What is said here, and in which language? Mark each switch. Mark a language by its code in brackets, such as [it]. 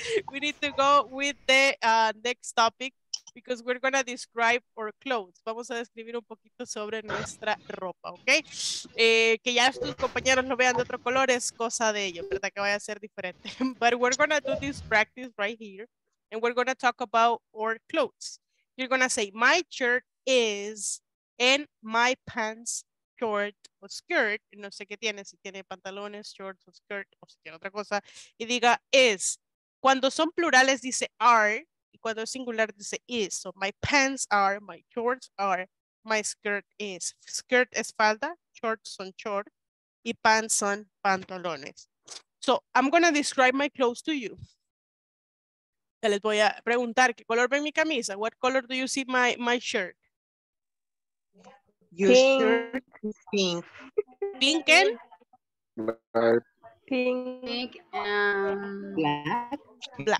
[en] We need to go with the next topic because we're going to describe our clothes. [es] Vamos a describir un poquito sobre nuestra ropa, ¿ok? Que ya tus compañeros lo vean de otro color es cosa de ellos, ¿verdad? Que vaya a ser diferente. [en] But we're going to do this practice right here and we're going to talk about our clothes. You're going to say, my shirt is and my pants [es] short o skirt, no sé qué tiene, si tiene pantalones, shorts o skirt, o si tiene otra cosa, y diga is. Cuando son plurales dice are, y cuando es singular dice is. [en] So my pants are, my shorts are, my skirt is. [es] Skirt es falda, shorts son shorts, y pants son pantalones. [en] So I'm going to describe my clothes to you. [es] Te les voy a preguntar, ¿qué color ven mi camisa? [en] What color do you see my shirt? Your pink. Shirt is pink. Pink and? Pink and black.